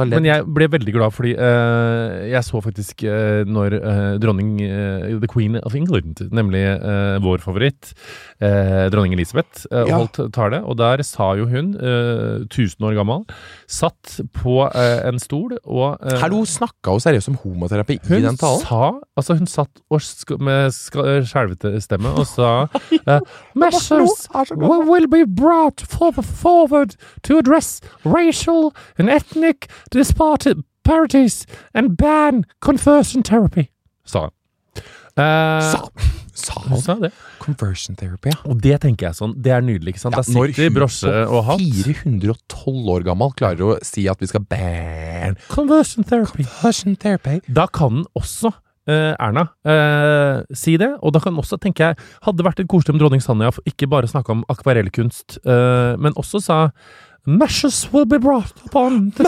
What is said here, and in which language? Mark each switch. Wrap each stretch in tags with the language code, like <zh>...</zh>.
<no>Men jeg ble veldig glad, fordi jeg så faktisk når dronning,</no> <en>the queen of England,</en> <no>nemlig vår favoritt, dronning Elisabeth, holdt tale, og der sa jo hun, 1000 år gammel, satt på en stol, og... Har du snakket jo seriøst om homoterapi i den talen? Hun sa, altså hun satt med skjelvete stemme, og sa,</no> <en>measures will be brought forward to address... racial and ethnic disparities and ban conversion therapy.</en> <no>Sa han. Sa han. Conversion therapy, ja. Og det tenker jeg sånn, det nydelig, ikke sant? Ja, når hun på 412 år gammel klarer å si at vi skal ban</no> <en>conversion therapy. Conversion therapy.</en> <no>Da kan også Erna, si det. Og da kan også, tenker jeg, hadde vært en koselig om dronning Sanja, ikke bare snakket om akvarellkunst, men også sa</no> <en>Meshes will be brought upon the</en>